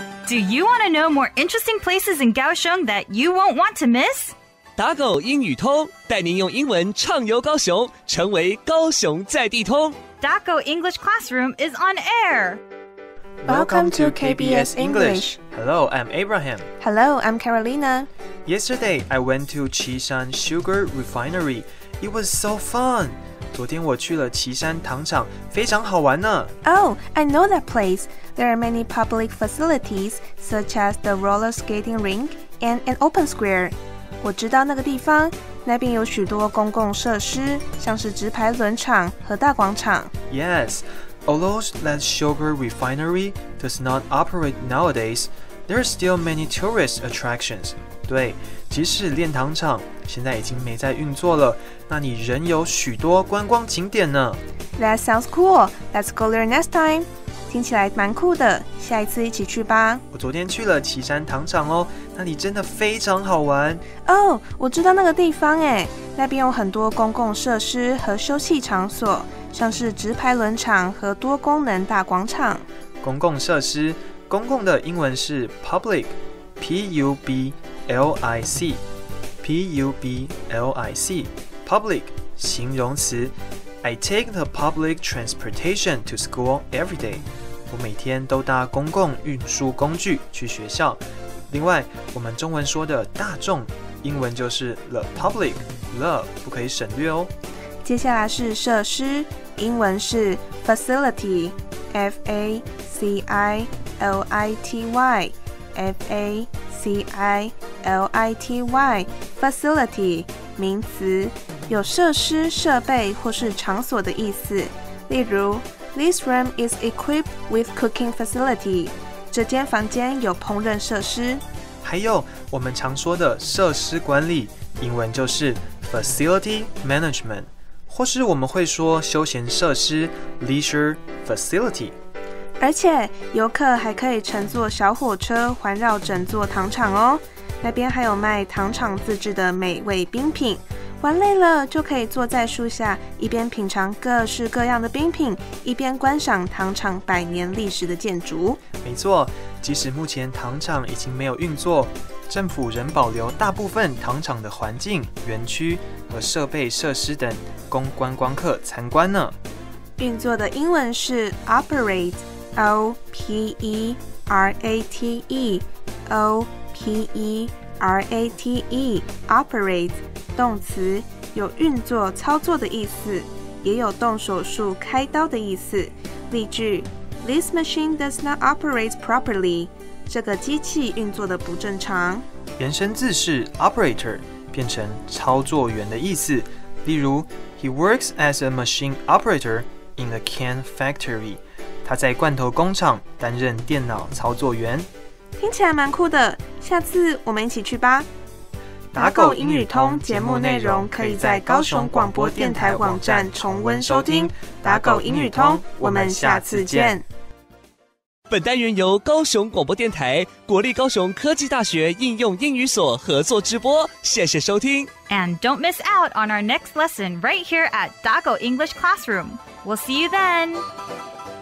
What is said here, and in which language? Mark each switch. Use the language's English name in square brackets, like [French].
[English] Do you want to know more interesting places in Kaohsiung that you won't want to miss? [Chinese] 打狗英语通，带您用英文畅游高雄，成为高雄在地通。 [English] Daco English Classroom is on air. Welcome to KBS English. Hello, I'm Abraham. Hello, I'm Carolina. Yesterday, I went to Qishan Sugar Refinery. It was so fun. [Chinese] 昨天我去了旗山糖厂，非常好玩呢。 [English] Oh, I know that place. There are many public facilities, such as the roller skating rink and an open square. [Chinese] 我知道那个地方，那边有许多公共设施，像是直排轮厂和大广场。 [English] Yes, although that sugar refinery does not operate nowadays, there are still many tourist attractions. [Chinese] 对，即使炼糖厂现在已经没在运作了，那里仍有许多观光景点呢。 [English] That sounds cool. Let's go there next time. [Chinese] 听起来蛮酷的，下一次一起去吧。我昨天去了旗山糖厂哦，那里真的非常好玩。哦，我知道那个地方哎，那边有很多公共设施和休憩场所，像是直排轮厂和多功能大广场。公共设施，公共的英文是 public，P-U-B-L-I-C，P-U-B-L-I-C，public 形容词。 [English] I take the public transportation to school every day. [Chinese] 我每天都搭公共运输工具去学校。另外，我们中文说的大众，英文就是 the public， the 不可以省略哦。接下来是设施，英文是 facility，facility，facility， 名词，有设施、设备或是场所的意思。例如。 [English] This room is equipped with cooking facility. [Chinese] 这间房间有烹饪设施。还有我们常说的设施管理，英文就是 facility management， 或是我们会说休闲设施 leisure facility。而且游客还可以乘坐小火车环绕整座糖厂哦，那边还有卖糖厂自制的美味冰品。玩累了就可以坐在树下，一边品尝各式各样的冰品，一边观赏糖厂百年历史的建筑。没错，即使目前糖厂已经没有运作，政府仍保留大部分糖厂的环境、园区和设备设施等，供观光客参观呢。运作的英文是 operate，O-P-E-R-A-T-E，O-P-E-R-A-T-E，operate。动词有运作、操作的意思，也有动手术、开刀的意思。例句 ： [English] This machine does not operate properly. [Chinese] 这个机器运作的不正常。延伸字是 operator， 变成操作员的意思。例如 ： [English] He works as a machine operator in a can factory. [Chinese] 他在罐头工厂担任电脑操作员。听起来蛮酷的，下次我们一起去吧。打狗英语通节目内容可以在高雄广播电台网站重温收听。打狗英语通，我们下次见。本单元由高雄广播电台、国立高雄科技大学应用英语所合作直播，谢谢收听。 [English] And don't miss out on our next lesson right here at 打狗 English Classroom. We'll see you then.